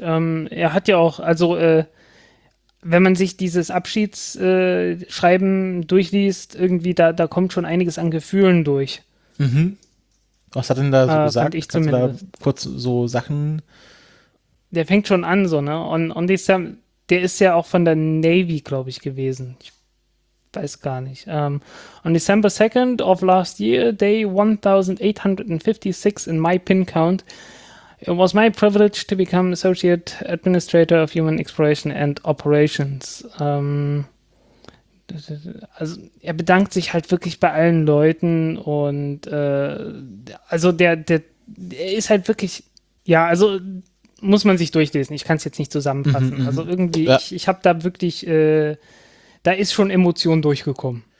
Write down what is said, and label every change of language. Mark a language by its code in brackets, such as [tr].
[de] Er hat ja auch, also wenn man sich dieses Abschiedsschreiben durchliest, irgendwie da kommt schon einiges an Gefühlen durch. Was hat denn da so gesagt? Ich zumindest. Kannst du da kurz so Sachen? Der fängt schon an, so, ne? Und der ist ja auch von der Navy, glaube ich, gewesen. Ich weiß gar nicht. [en] On December 2nd of last year, day 1856 in my pin count, it was my privilege to become Associate Administrator of Human Exploration and Operations. [de] Also er bedankt sich halt wirklich bei allen Leuten und also der ist halt wirklich, ja, also muss man sich durchlesen, ich kann es jetzt nicht zusammenfassen, also irgendwie, ja. Ich habe da wirklich, da ist schon Emotion durchgekommen.